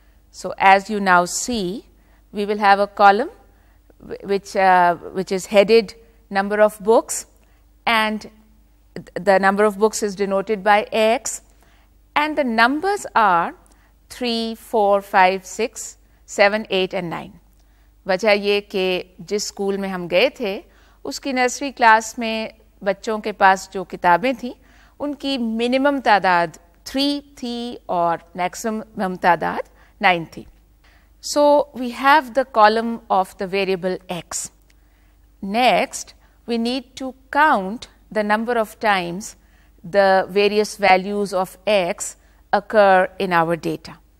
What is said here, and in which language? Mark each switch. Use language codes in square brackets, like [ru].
[en] So as you now see, we will have a column which is headed number of books, and the number of books is denoted by x, and the numbers are 3, 4, 5, 6, 7, 8 and 9. [ur] Wajah ye ke jis school mein hum gaye the, uski nursery class mein بچوں کے پاس جو کتابیں تھیں ان کی minimum تعداد 3 تھی اور maximum تعداد 9 تھی. [en] So we have the column of the variable X. Next we need to count the number of times the various values of X occur in our data.